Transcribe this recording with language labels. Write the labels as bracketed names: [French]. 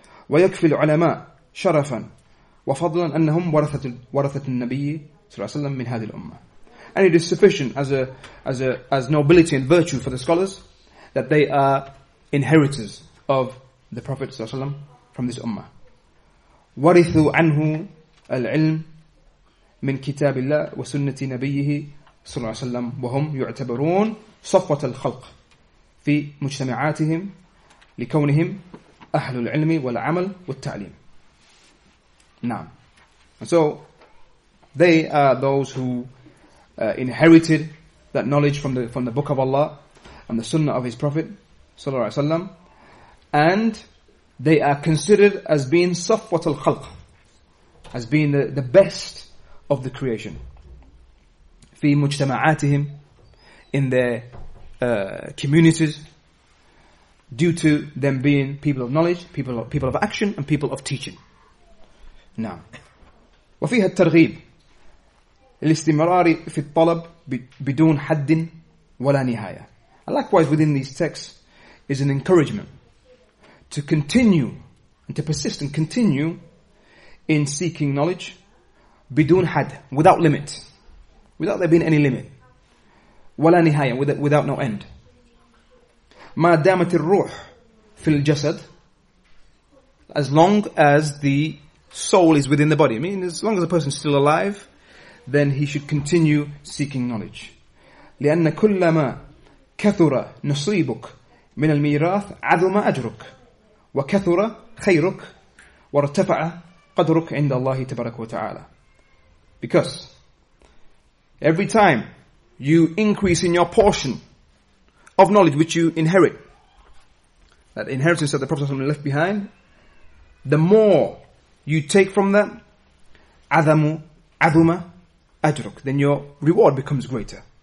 [Arabic] وَيَكْفِي الْعُلَمَاءِ شَرَفًا وَفَضْلًا أَنَّهُمْ وَرَثَةُ النَّبِيِّ صلى الله عليه وسلم مِنْ هَذِهِ الْأُمَّةِ. [English] And it is sufficient as nobility and virtue for the scholars that they are inheritors of the Prophet صلى الله عليه وسلم from this ummah. [Arabic] وَرِثُوا عَنْهُ الْعِلْمِ مِنْ كِتَابِ اللَّهِ وَسُنَّةِ نَبِيِّهِ صلى الله عليه وسلم وهم يعتبرون صفوة الخلق في مجتمعاتهم لكونهم أهل العلم والعمل والتعليم. نعم. [English] And so they are those who inherited that knowledge from the Book of Allah and the Sunnah of His Prophet sallallahu alaihi wasallam, and they are considered as being safwat al-khalq, as being the best of the creation. [Arabic] في مجتمعاتهم, [English] in their communities, due to them being people of knowledge, people of action, and people of teaching. [Arabic] نعم. وفيها الترغيب الاستمرار في الطلب بدون حد ولا نهاية. [English] Likewise, within these texts is an encouragement to continue and to persist and continue in seeking knowledge [Arabic] بدون حد, [English] without limit, without there being any limit, [Arabic] ولا نهاية, [English] without no end. [Arabic] ما دامت الروح في الجسد, [English] as long as the soul is within the body. I mean, as long as a person is still alive, then he should continue seeking knowledge. [Arabic] لأن كلما كثر نصيبك من الميراث عظم أجرك وكثر خيرك وارتفع قدرك عند الله تبارك وتعالى. [English] Because every time you increase in your portion of knowledge which you inherit, that inheritance that the Prophet ﷺ left behind, the more you take from that, [Arabic] عظم أجرك, [English] then your reward becomes greater.